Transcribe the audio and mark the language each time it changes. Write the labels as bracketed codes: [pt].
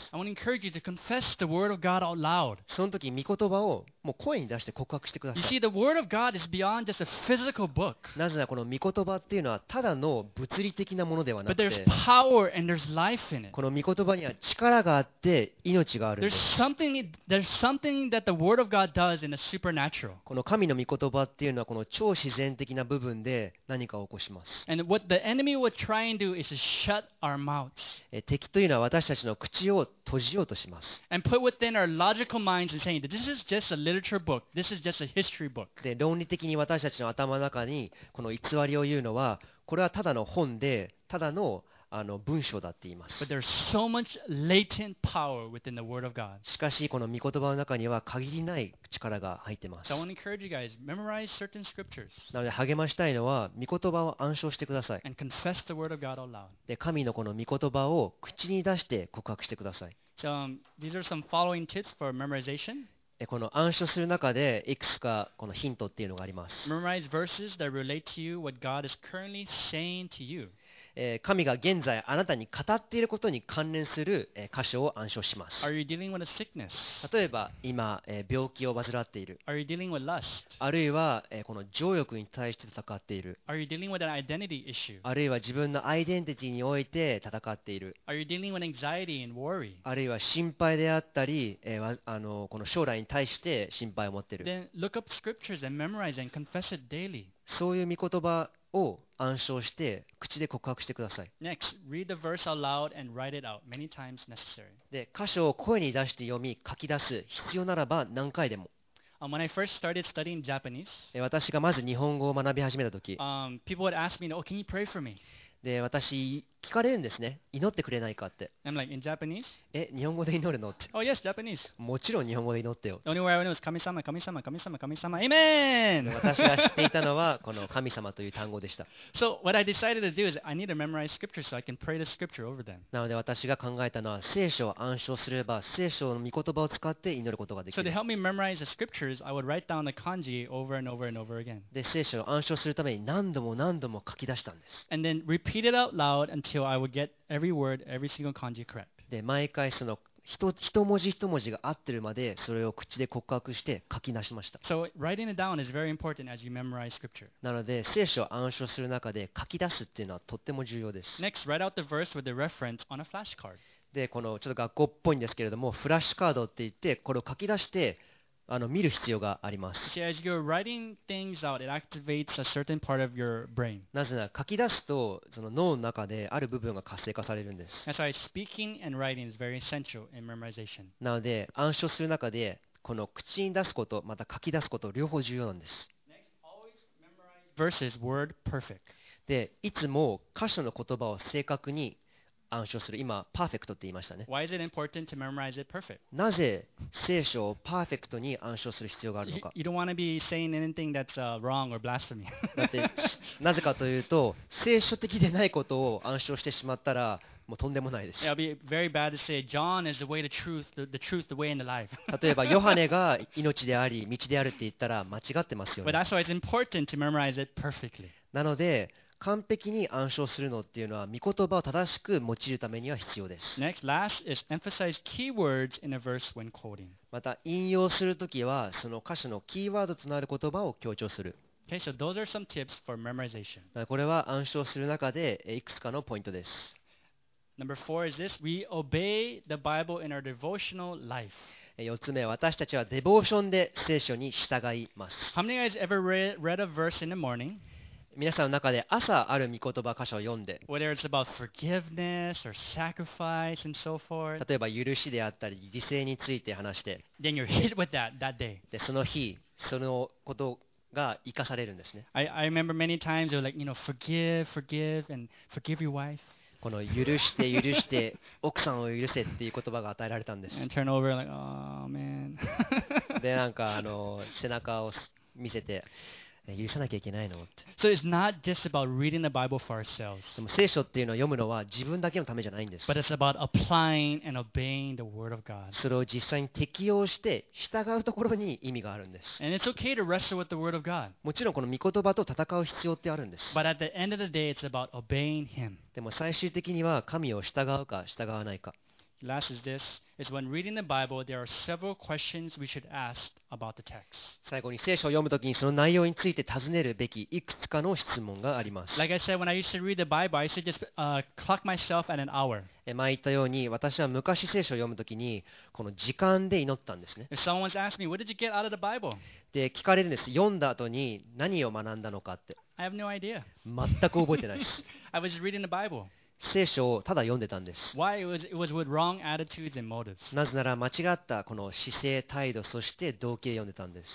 [en] I want to encourage you to confess the word of God out loud. [ja] その時、御言葉をもう声に出して告白してください。 [en] You see, the word of God is beyond just a physical book. [ja] なぜならこの御言葉っていうのはただの物理的なものではなくて、 [en] But there's power and there's life in it. [ja] この御言葉には力があって命があるんです。 [en] There's something that the word of God does in the supernatural. [ja] この神の御言葉っていうのはこの超自然的な部分で何かを起こします。 [en] And what the enemy would try and do is to shut our mouths. [ja] 敵というのは私たちの口を閉じようとします。 [en] And put within our logical minds and saying that this is just a literature book. This is just a history book. [ja] で、論理的に私たちの頭の中にこの偽りを言うのは、これはただの本で、ただの文章だって言います。 [en] But there's so much latent power within the word of God. [ja] しかし、この御言葉の中には限りない力が入ってます。 [en] So I want to encourage you guys, memorize certain scriptures. [ja] なので、励ましたいのは、御言葉を暗唱してください。 [en] And confess the word of God out loud. [ja] で、神のこの御言葉を口に出して告白してください。 [en] So, these are some following tips for memorization. [ja] この暗唱する中でいくつかこのヒントっていうのがあります。 [en] Memorize verses that relate to you what God is currently saying to you. [ja] 神が現在あなたに語っていることに関連する箇所を暗唱します。 [en] Are you dealing with a sickness? [ja] 例えば今病気を患っている。 [en] Are you dealing with lust? [ja] あるいはこの情欲に対して戦っている。 [en] Are you dealing with an identity issue? [ja] あるいは自分のアイデンティティにおいて戦っている。 [en] Are you dealing with anxiety and worry? [ja] あるいは心配であったり、この将来に対して心配を持っている。 [en] Then look up scriptures and memorize and confess it daily. [ja] そういう御言葉を暗唱して口で告白してください。 [en] Next, read the verse aloud and write it out many times necessary. [ja] で、箇所を声に出して読み書き出す必要ならば何回でも。 [en] When I first started studying Japanese, [ja] 私がまず日本語を学び始めた時、 [en] people would ask me, "Oh, can you pray for me?" [ja] で、私聞かれるんですね、祈ってくれないかって。 [en] I'm like, "In Japanese?" [ja] 日本語で祈るのって。 [en] Oh yes, Japanese. [ja] もちろん日本語で祈ってよ。 [en] The only way I knew was [ja] 神様、神様、神様、神様、 [en] Amen! [ja] 私が知っていたのはこの神様という単語でした。 [en] So what I decided to do is I need to memorize scripture so I can pray the scripture over them. [ja] なので私が考えたのは聖書を暗唱すれば聖書の御言葉を使って祈ることができる。 [en] So to help me memorize the scriptures, I would write down the kanji over and over and over again. [ja] で、聖書を暗唱するために何度も何度も書き出したんです。 [en] And then repeat it out loud and Until I would get every word, every single kanji correct. [ja] で、毎回その一文字一文字が合ってるまで、それを口で告白して書き出しました。 [en] So writing it down is very important as you memorize scripture. [ja] なので、聖書を暗唱する中で書き出すっていうのはとっても重要です。 [en] Next, write out the verse with the reference on a flashcard. [ja] で、このちょっと学校っぽいんですけれども、フラッシュカードって言って、これを書き出して見る必要があります。 [en] See, as you're writing things out, it activates a certain part of your brain. [ja] なぜなら書き出すとその脳の中である部分が活性化されるんです。 [en] That's why speaking and writing is very essential in memorization. [ja] なので暗唱する中でこの口に出すことまた書き出すこと両方重要なんです。 [en] Next, always memorize verses word perfect. [ja] で、いつも箇所の言葉を正確に暗唱する。今パーフェクトって言いましたね。 [en] Why is it important to memorize it perfect? [ja] なぜ聖書をパーフェクトに暗唱する必要があるのか。 [en] You don't want to be saying anything that's wrong or blasphemy. [ja] だってなぜかというと、聖書的でないことを暗唱してしまったらもうとんでもないです。 [en] It'll be very bad to say John is the way, the truth, the truth, the way, and the life. [ja] 例えばヨハネが命であり道であるって言ったら間違ってますよね。 [en] But that's why it's important to memorize it perfectly. [ja] なので完璧に暗唱するのっていうのは御言葉を正しく用いるためには必要です。 [en] Next, last is emphasize keywords in a verse when quoting. [ja] また引用するときはその箇所のキーワードとなる言葉を強調する。 [en] Okay, so those are some tips for memorization. [ja] これは暗唱する中でいくつかのポイントです。 [en] Number four is this: we obey the Bible in our devotional life. [ja] 4つ目、私たちはデボーションで聖書に従います。 [en] How many guys ever read a verse in the morning? [ja] 皆さんの中で朝ある御言葉箇所を読んで、 [en] Whether it's about forgiveness or sacrifice and so forth. [ja] 例えば許しであったり犠牲について話して、 [en] Then you're hit with that day. [ja] でその日そのことが生かされるんですね。 [en] I remember many times they were like, you know, forgive and forgive your wife. [ja] この許して奥さんを許せっていう言葉が与えられたんです。 [en] And turn over like, oh, man. [ja] でなんか背中を見せて許さなきゃいけないのって。 [en] So it's not just about reading the Bible for ourselves. [ja] でも聖書っていうのを読むのは自分だけのためじゃないんです。 [en] But it's about applying and obeying the word of God. [ja] それを実際に適用して従うところに意味があるんです。 [en] And it's okay to wrestle with the word of God. [ja] もちろんこの御言葉と戦う必要ってあるんです。 [en] But at the end of the day, it's about obeying Him. [ja] でも最終的には神を従うか従わないか。 [en] Last is this, is when reading the Bible, there are several questions we should ask about the text. [ja] 最後に聖書を読むときにその内容について尋ねるべきいくつかの質問があります。 [en] Like I said, when I used to read the Bible, I used to just clock myself at an hour. [ja] 前言ったように私は昔聖書を読むときにこの時間で祈ったんですね。 [en] If someone's asked me, what did you get out of the Bible? [ja] で聞かれるんです。読んだ後に何を学んだのかって。 [en] I have no idea. [ja] 全く覚えてないです。 [en] I was reading the Bible. [ja] 聖書をただ読んでたんです。 [en] Why? It was with wrong attitudes and motives. [ja] なぜなら間違ったこの姿勢、態度、そして動機で読んでたんです。